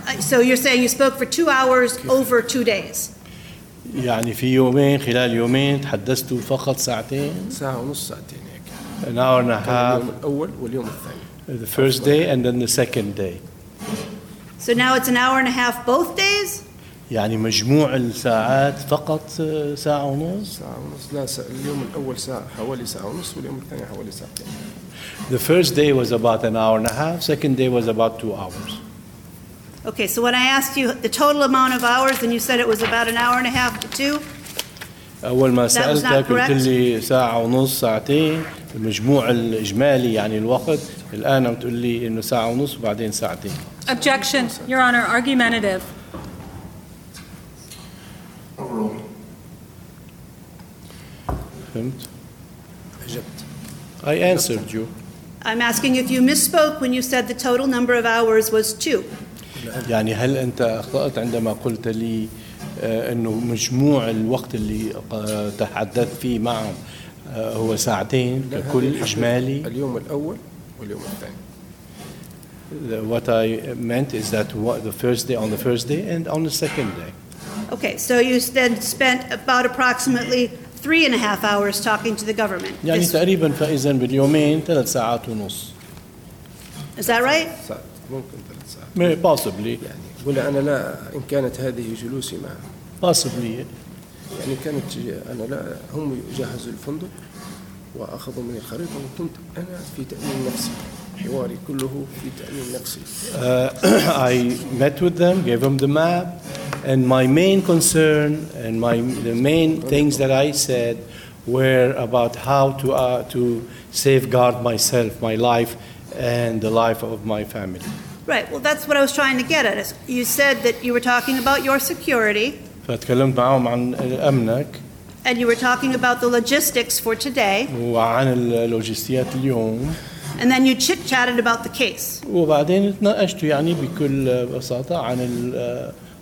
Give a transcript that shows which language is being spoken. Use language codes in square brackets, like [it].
[en] So you're saying you spoke for 2 hours over 2 days. [ar] يعني في يومين خلال يومين تحدثت فقط ساعتين ساعة ونص ساعتين هيك. [en] An hour and a half. [ar] الأول واليوم الثاني. [en] The first day and then the second day. So now it's an hour and a half both days? [ar] يعني مجموع الساعات فقط ساعة ونص؟ ساعة ونص لا اليوم الأول ساعة حوالي ساعة ونص واليوم الثاني حوالي ساعتين. [en] The first day was about an hour and a half. Second day was about 2 hours. Okay, so when I asked you the total amount of hours, and you said it was about an hour and a half to two. [ar] أول ما سألتك قلت لي ساعة ونص ساعتين المجموع الإجمالي يعني الوقت الآن بتقول لي إنه ساعة ونص وبعدين ساعتين. [en] Objection, Your Honor, argumentative. I answered you. I'm asking if you misspoke when you said the total number of hours was two. [ar] يعني هل أنت أخطأت عندما قلت لي إنه مجموع الوقت اللي تحدثت فيه معه هو ساعتين ككل إجمالي؟ اليوم الأول واليوم الثاني. [en] What I meant is that the first day on the first day and on the second day. Okay, so you then spent about approximately 3.5 hours talking to the government. [ar] يعني تقريبا فإذا باليومين 3 ساعات ونص. [en] Is that right? [ar] ممكن 3 ساعات. [en] May possibly. [ar] يعني ولا أنا لا إن كانت هذه جلوسي معه. [en] Possibly. [ar] يعني كانت أنا لا هم جهزوا الفندق وأخذوا من الخريطة وكنت أنا في تأمين نفسي. حواري كله في تأمين نفسي. [en] I met with them, gave them the map. And my main concern and the main things that I said were about how to safeguard myself, my life, and the life of my family. Right. Well, that's what I was trying to get at. You said that you were talking about your security. [ar] فتكلمت معهم عن أمنك. [en] And you were talking about the logistics for today. [ar] وعن اللوجستيات اليوم. [en] And then you chit-chatted about the case. [ar] وبعدين اتناقشت يعني بكل بساطة عن ال